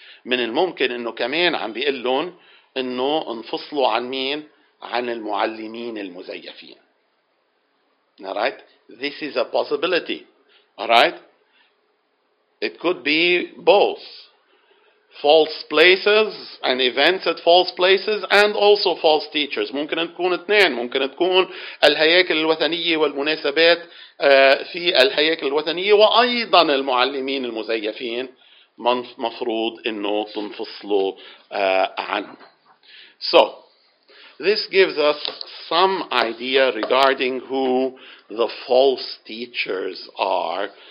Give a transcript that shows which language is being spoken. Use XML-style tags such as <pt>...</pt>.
<ar>من الممكن انه كمان عم بيقول لهم انه انفصلوا عن مين؟ عن المعلمين المزيفين.</ar> <en>All right? This is a possibility. All right? It could be both false places and events at false places and also false teachers.</en> <ar>ممكن تكون اثنين، ممكن تكون الهياكل الوثنية والمناسبات في الهياكل الوثنية وايضا المعلمين المزيفين مفروض انه تنفصلوا عنه.</ar> <en>So this gives us some idea regarding who the false teachers are.</en>